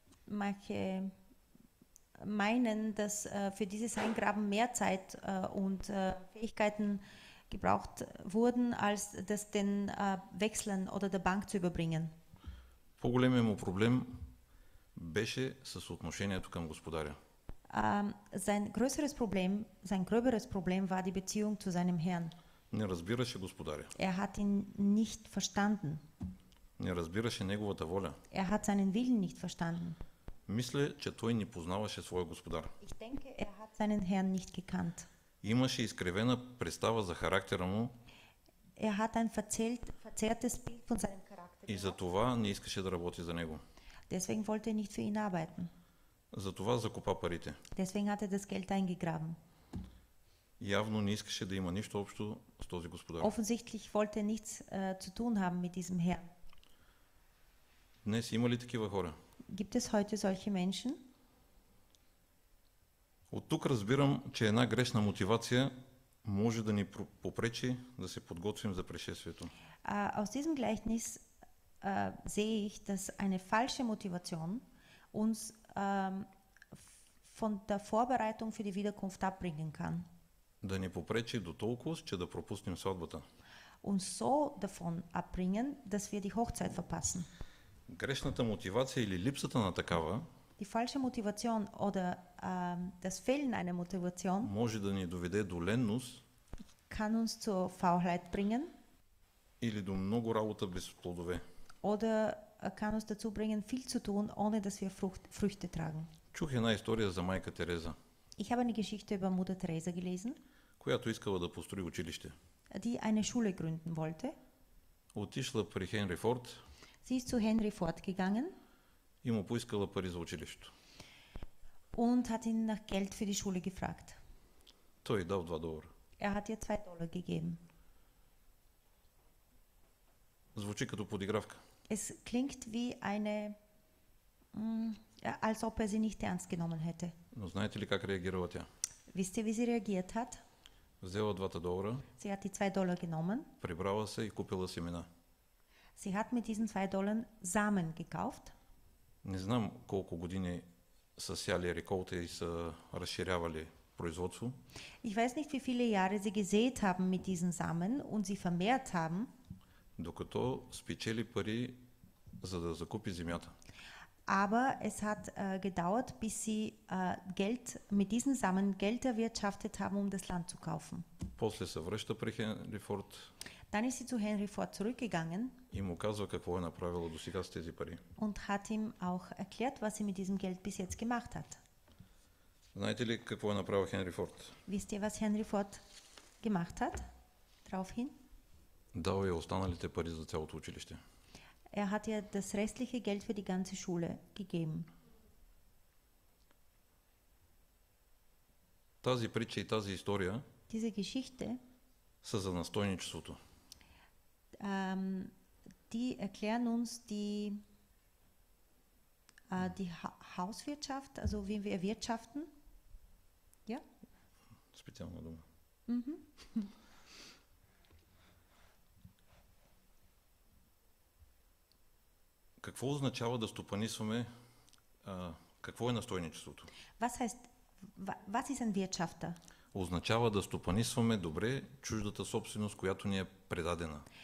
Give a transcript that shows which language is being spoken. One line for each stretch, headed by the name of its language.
German: Manche meinen, dass für dieses Eingraben mehr Zeit und Fähigkeiten gebraucht wurden, als das den Wechseln oder der Bank zu überbringen.
Bulgarian: По-големият му проблем беше с отношението към господаря.
German: Sein gröberes Problem war die Beziehung zu seinem Herrn.
Bulgarian: Не разбираше господаря.
German: Er hat ihn nicht verstanden.
Bulgarian: Не разбираше неговата воля.
German: Er hat seinen Willen nicht verstanden.
Bulgarian: Мисля, че той не познаваше своя господар.
German: Ich denke, er hat seinen Herrn nicht gekannt.
Bulgarian: Имаше изкривена представа за характера му.
German: Er hat ein verzerrtes Bild von seinem Charakter.
Bulgarian: И затова не искаше да работи за него.
German: Deswegen wollte er nicht für ihn arbeiten.
Bulgarian: Затова закопа парите.
German: Deswegen hat er das Geld eingegraben.
Bulgarian: Явно не искаше да има нищо общо с този господар.
German: Offensichtlich wollte er nichts zu tun haben mit diesem Herrn.
Bulgarian: Днес има ли такива хора?
German: Gibt es heute solche Menschen?
Bulgarian: От тук разбирам, че една грешна мотивация може да ни попречи да се подготвим за пришествието.
German: Aus diesem Gleichnis sehe ich, dass eine falsche Motivation uns von der Vorbereitung für die Wiederkunft abbringen kann.
Bulgarian: Да ни попречи до толкова, че да пропуснем сватбата.
German: Uns so davon abbringen, dass wir die Hochzeit verpassen.
Bulgarian: Грешната мотивация или липсата на такава
German: Die falsche Motivation oder das Fehlen einer Motivation
Bulgarian: може да ни доведе до ленност,
German: kann uns zur Faulheit bringen
Bulgarian: или до много работа без плодове.
German: Oder kann uns dazu bringen, viel zu tun, ohne dass wir Früchte tragen.
Bulgarian: Чух една история за майка Тереза.
German: Ich habe eine Geschichte über Mutter Teresa gelesen,
Bulgarian: която искала да построи училище.
German: Die eine Schule gründen wollte.
Bulgarian: Отишла при Хенри Форд.
German: Sie ist zu Henry Ford gegangen.
Bulgarian: И му поискала пари за училището.
German: Und hat ihn nach Geld für die Schule gefragt.
Bulgarian: Той дал $2.
German: Er hat ihr $2 gegeben.
Bulgarian: Звучи като подигравка.
German: Es klingt wie eine als ob er sie nicht ernst genommen hätte.
Bulgarian: Но знаете ли как реагирала тя?
German: Wisst ihr, wie sie reagiert hat?
Bulgarian: Взела $2.
German: Sie hat die $2 genommen.
Bulgarian: Прибрала се и купила семена.
German: Sie hat mit diesen $2 Samen gekauft.
Bulgarian: Не знам колко години са сяли реколта и са разширявали производство.
German: Ich weiß nicht, wie viele Jahre sie gesät haben mit diesen Samen und sie vermehrt haben.
Bulgarian: докато спечели пари, за да закупи земята.
German: Aber es hat gedauert, bis sie Geld mit diesen Samen Geld erwirtschaftet haben, um das Land zu kaufen.
Bulgarian: После се връща при Хенри Форд.
German: Dann ist sie zu Henry Ford zurückgegangen.
Bulgarian: И му казва какво е направила до сега с тези пари.
German: Und hat ihm auch erklärt, was sie mit diesem Geld bis jetzt gemacht hat.
Bulgarian: Знаете ли какво е направил Хенри Форд?
German: Wisst ihr, was Henry Ford gemacht hat? Daraufhin?
Bulgarian: Дал е останалите пари за цялото училище.
German: Er hat ihr das restliche Geld für die ganze Schule gegeben.
Bulgarian: Тази притча и тази история.
German: Diese Geschichte.
Bulgarian: Са за настойничеството.
German: Die erklären uns die die Hauswirtschaft, also wie wir wirtschaften. Ja?
Bulgarian: Специална дума. Какво означава да стопанисваме, какво е настойничеството?
German: Was ist ein Wirtschafter?
Bulgarian: Означава да стопанисваме добре чуждата собственост, която ни е предадена.